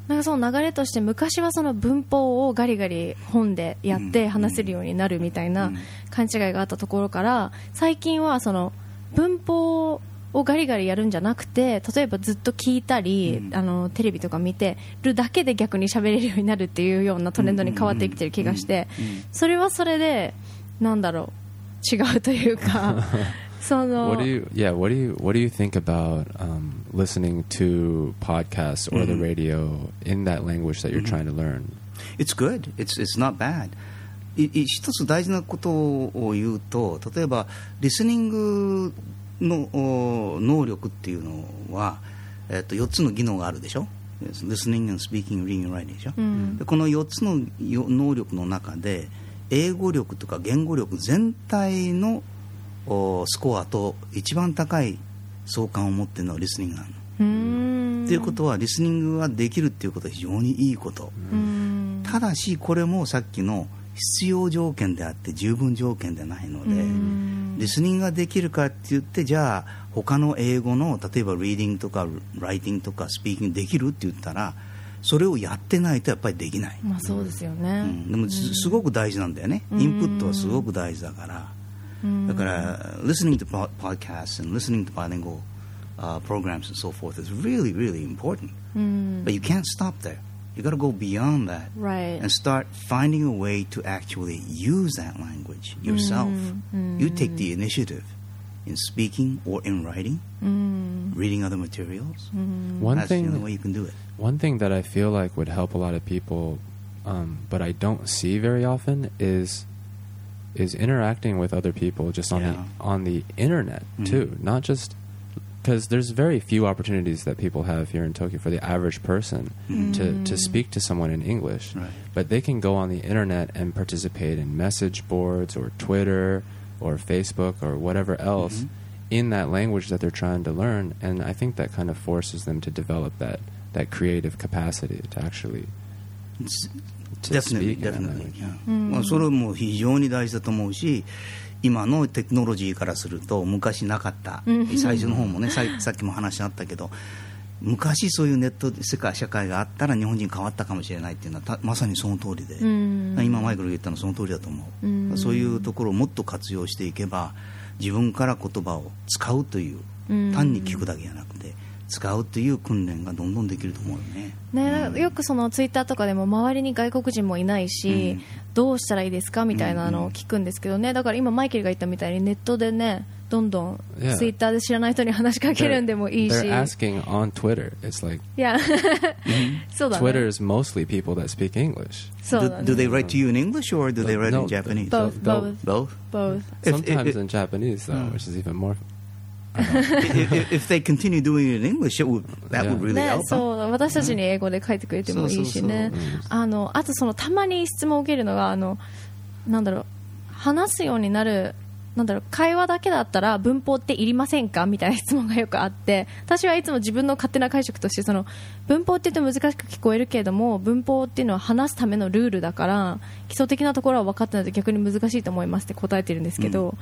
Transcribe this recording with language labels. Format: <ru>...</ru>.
<ja>なんかその流れとして昔はその文法をガリガリ本でやって話せるようになるみたいな勘違いがあったところから、最近はその文法をガリガリやるんじゃなくて、例えばずっと聞いたり、あのテレビとか見てるだけで逆に喋れるようになるっていうようなトレンドに変わってきてる気がして、それはそれでなんだろう、違うというかその</ja> <en>What do you think about listening to podcasts or the radio in that language that you're trying to learn? It's good. It's not bad.</en> <ja>一つ大事なことを言うと、例えばリスニングの能力っていうのは、4つの技能があるでしょ。</ja> <en>Listening and speaking, reading and writing</en> <ja>でしょ、でこの4つの能力の中で英語力とか言語力全体のスコアと一番高い相関を持ってるのはリスニングなの。ということはリスニングができるっていうことは非常にいいこと。ただしこれもさっきの必要条件であって十分条件でないので、リスニングができるかって言ってじゃあ他の英語の例えばリーディングとかライティングとかスピーキングできるって言ったら、それをやってないとやっぱりできない。まあそうですよね、でもすごく大事なんだよね。インプットはすごく大事だから、だから</ja> <en>listening to podcasts and listening to bilingual programs and so forth is really really important、 mm. but you can't stop thereYou got to go beyond that、 right. and start finding a way to actually use that language yourself. Mm-hmm. You take the initiative in speaking or in writing,、 mm-hmm. reading other materials.、 Mm-hmm. One That's thing, the only way you can do it. One thing that I feel like would help a lot of people,、but I don't see very often, is interacting with other people just on,、 yeah. on the internet,、mm-hmm. too. Not just... Because there's very few opportunities that people have here in Tokyo for the average person、 mm. to speak to someone in English.、 Right. But they can go on the internet and participate in message boards or Twitter or Facebook or whatever else、mm-hmm. in that language that they're trying to learn. And I think that kind of forces them to develop that creative capacity to actually to speak in that language. Definitely, definitely.</en> <ja>Well, それも非常に大事だと思うし今のテクノロジーからすると昔なかった最初の方もねさっきも話あったけど昔そういうネット世界社会があったら日本人変わったかもしれないっていうのはまさにその通りで、うん、今マイクルが言ったのはその通りだと思う、うん、そういうところをもっと活用していけば自分から言葉を使うという、うん、単に聞くだけじゃなくて使うという訓練がどんどんできると思うよ ね, ね、うん、よくそのツイッターとかでも周りに外国人もいないし、うん、どうしたらいいですかみたいなのを聞くんですけどね、うんうん、だから今マイケルが言ったみたいにネットでねどんどんツイッターで知らない人に話しかけるんでもいいし</ja> <en>they're asking on Twitter it's like yeah</en> <ja>、mm-hmm. そうだね、</ja> <en>Twitter is mostly people that speak English</en> <ja>そうだ、ね、</ja> <en>do they write to you in English or do they write no, in Japanese both sometimes in Japanese though、mm. which is even more If they continue doing it in English, it would, that would really、</en> <ja>ね、</ja> <en>help.</en> <ja>そう私たちに英語で書いてくれてもいいしね。そうそうそう、あの、あとそのたまに質問を受けるのがあのなんだろう話すようになるなんだろう会話だけだったら文法っていりませんかみたいな質問がよくあって私はいつも自分の勝手な解釈としてその文法って言うと難しく聞こえるけれども文法っていうのは話すためのルールだから基礎的なところは分かってないと逆に難しいと思いますって答えてるんですけど、</ja>